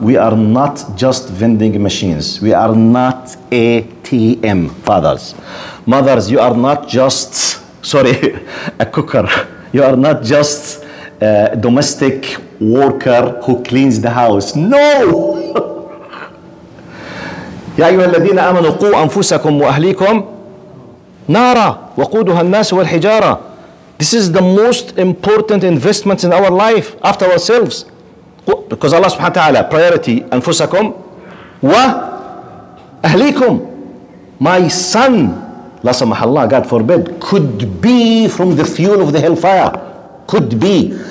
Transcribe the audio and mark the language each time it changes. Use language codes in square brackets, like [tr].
[en] We are not just vending machines. We are not ATM fathers. Mothers, you are not just, sorry, a cooker. You are not just a domestic worker who cleans the house. No! [ar] يا أيها الذين آمنوا قوا أنفسكم وأهليكم نارا وقودها الناس والحجارة. [en] This is the most important investment in our life, after ourselves. Because Allah subhanahu wa ta'ala, priority, [ar] anfusakum, wa ahlikum. [en] My son, [ar] la samahallah, [en] God forbid, could be from the fuel of the hellfire. Could be.